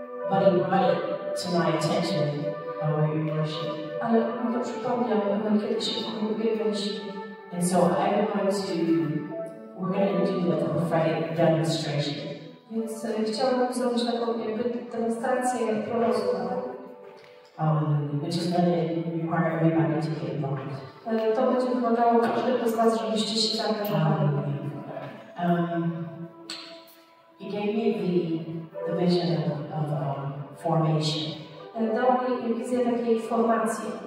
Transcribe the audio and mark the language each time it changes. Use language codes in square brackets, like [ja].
[en] But he brought it to my attention over your worship. And so I'm going to. We're going to do like a prophetic demonstration. Yes, [pl] chciałabym zrobić taką jakby demonstrację proroctwa. [en] Which is going to require everybody to get involved. [pl] To będzie wymagało każdego z was, żebyście się zaangażowali. [en] He gave me the vision of formation. [pl] Dał mi wizję takiej formacji.